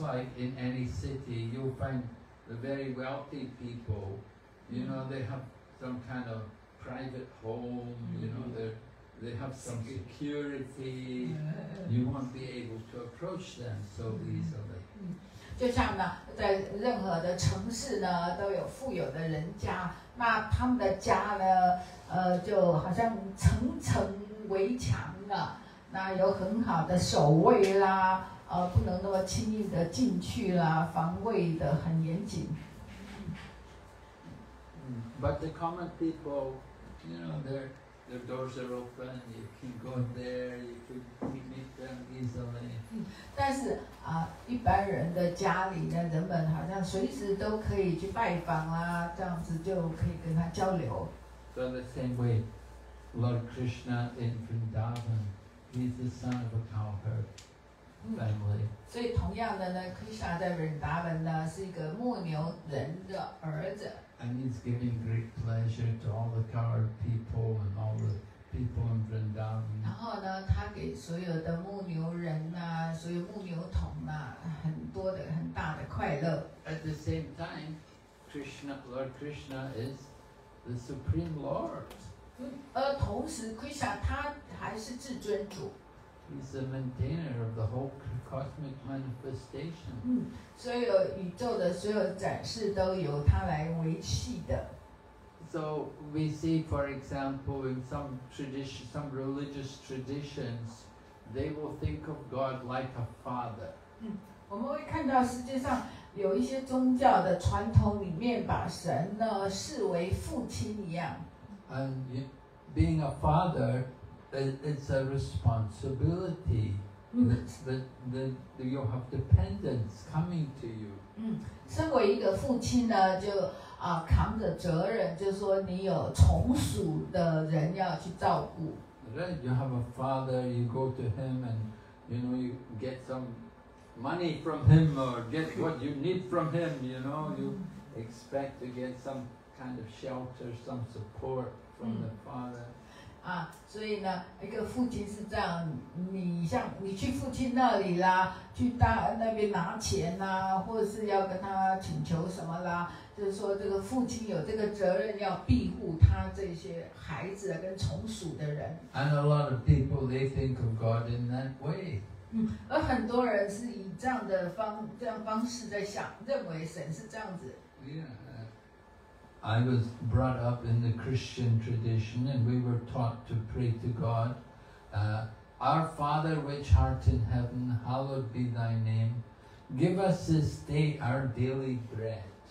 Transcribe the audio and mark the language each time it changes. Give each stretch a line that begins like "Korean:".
English: like in any city, you'll find the very wealthy people, you know, they have some kind of private home, you know, they're they have some security, you won't be able to approach them so easily.
Chinese: 就像呢，在任何的城市呢，都有富有的人家，那他们的家呢，就好像层层围墙啊，那有很好的守卫啦，不能那么轻易的进去啦，防卫的很严谨。
English: But the common people, you know, their doors are open, you can go there, you can meet them easily.
Chinese: 但是啊，一般人的家里呢，人们好像随时都可以去拜访啦，这样子就可以跟他交流。
English: So the same way, Lord Krishna in Vrindavan, he's the son of a cowherd family.
Chinese: 所以同样的呢 ，Krishna 在 Vrindavan 呢是一个牧牛人的儿子。
English: And he's giving great pleasure to all the coward people and all the people in Vrindavan.
Chinese: 然后呢，他给所有的牧牛人啊，所有牧牛童啊，很多的很大的快乐。
English: At the same time, Krishna, Lord Krishna, is the supreme lord.
Chinese: 同时 ，Krishna 他还是至尊主。
English: He's the maintainer of the whole cosmic manifestation.
Chinese: 所有宇宙的所有展示都由他来维系的。
English: So we see, for example, in some tradition, some religious traditions, they will think of God like a father.
Chinese: 我们会看到世界上有一些宗教的传统里面把神呢视为父亲一样。
English: And being a father. It's a responsibility that you have dependents coming to you.
Chinese: 身为一个父亲呢，就啊扛着责任，就说你有从属的人要去照顾。
English: Right, you have a father, you go to him, and you know you get some money from him or get what you need from him. You know, you expect to get some kind of shelter, some support from the father.
Chinese: 啊，所以呢，一个父亲是这样，你像你去父亲那里啦，去大那边拿钱啦，或者是要跟他请求什么啦，就是说这个父亲有这个责任要庇护他这些孩子跟从属的人。
English: And a lot of people they think of God in that way.
Chinese: 而很多人是以这样的方式在想，认为神是这样子。
English: Yeah. I was brought up in the Christian tradition, and we were taught to pray to God, Our Father which art in heaven, hallowed be thy name. Give us this day our daily bread.